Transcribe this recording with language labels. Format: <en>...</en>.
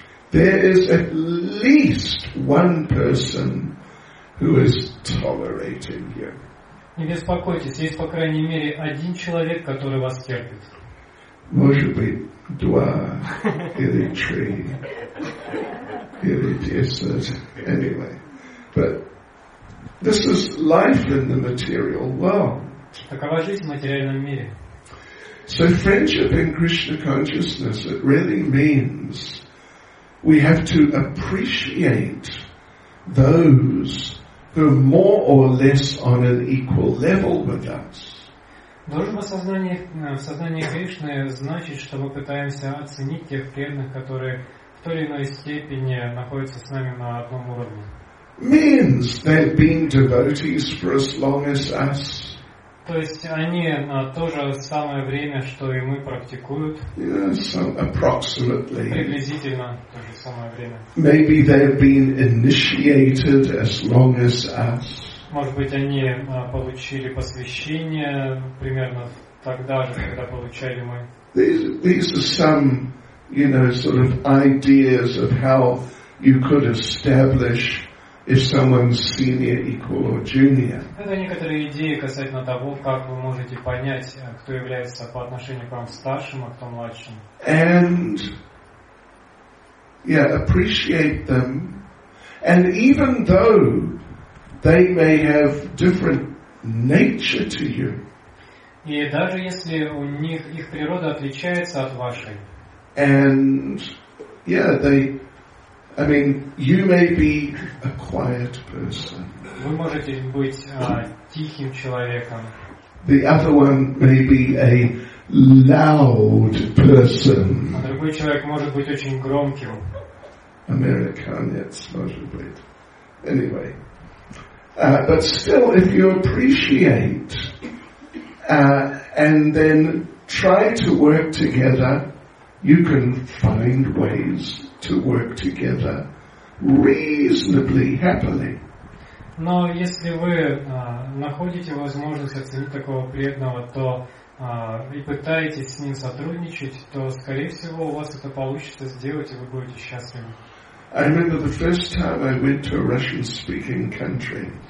<en>There is at least one person who is tolerating you.</en> <ru>Не беспокойтесь, есть по крайней мере один человек, который вас терпит. Может быть, два, или три, или десять.</ru> <en>Anyway, but this is life in the material world.</en> <ru>Такова жизнь в материальном мире.</ru> <en>So friendship in Krishna consciousness, it really means we have to appreciate those who are more or less on an equal level with us.</en> <ru>Дружба в сознании Кришны значит, что мы пытаемся оценить тех преданных, которые в той или иной степени находятся с нами на одном уровне.</ru> <en>Means they've been devotees for as long as us.</en> <ru>То есть они на то же самое время, что и мы, практикуют.</ru> <en>Approximately.</en> <ru>Приблизительно то же самое время.</ru> <en>Maybe they've been initiated as long as us.</en> <ru>Может быть, они получили посвящение примерно тогда же, когда получали мы.</ru> <en>These are some, you know, sort of ideas of how you could establish if someone's senior, equal or junior.</en> <ru>Это некоторые идеи касательно того, как вы можете понять, кто является по отношению к вам старшим, а кто младшим.</ru> <en>And yeah, appreciate them. And even though they may have different nature to you.</en> <ru>И даже если у них их природа отличается от вашей.</ru> <en>And yeah, you may be a quiet person.</en> <ru>Вы можете быть тихим человеком.</ru> <en>The other one may be a loud person.</en> <ru>А другой человек может быть очень громким. Американец, может быть.</ru> <en>Anyway. But still, if you appreciate and then try to work together, you can find ways to work together reasonably happily.</en> <ru>Но если вы находите возможность оценить такого преданного, то и пытаетесь с ним сотрудничать, то, скорее всего, у вас это получится сделать, и вы будете счастливы.</ru> <en>I remember the first time I went to a Russian-speaking country.</en>